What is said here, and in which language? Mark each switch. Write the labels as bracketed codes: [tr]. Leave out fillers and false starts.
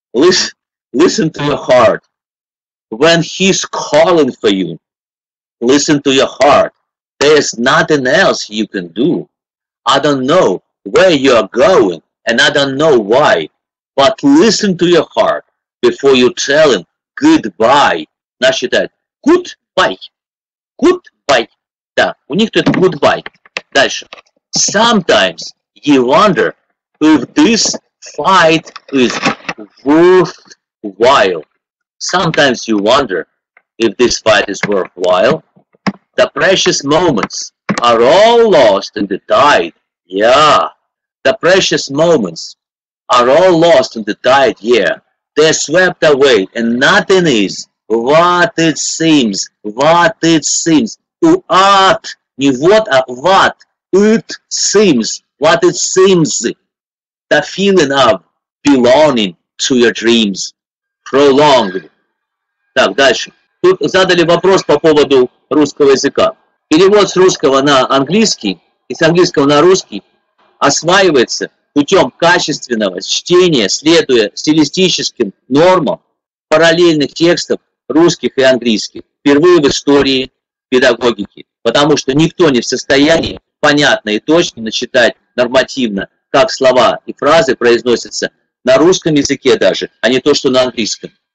[en] Listen to your heart. When he's calling for you, listen to your heart. There's nothing else you can do. I don't know where you are going, and I don't know why. But listen to your heart before you tell him goodbye. [ru] Надо считать goodbye. Goodbye. Да, у них тут goodbye. Дальше. [en] Sometimes you wonder if this fight is worthwhile. Sometimes you wonder if this fight is worthwhile. The precious moments are all lost in the tide. Yeah. The precious moments are all lost in the tide. Yeah. They're swept away and nothing is what it seems. What it seems. What? [ru] Не what, а what. [en] It seems, what it seems, the feeling of belonging to your dreams, prolonged. [ru] Так, дальше. Тут задали вопрос по поводу русского языка. Перевод с русского на английский и с английского на русский осваивается путем качественного чтения, следуя стилистическим нормам параллельных текстов русских и английских, впервые в истории педагогики, потому что никто не в состоянии понятно и точно начитать нормативно, как слова и фразы произносятся на русском языке даже, а не то, что на английском.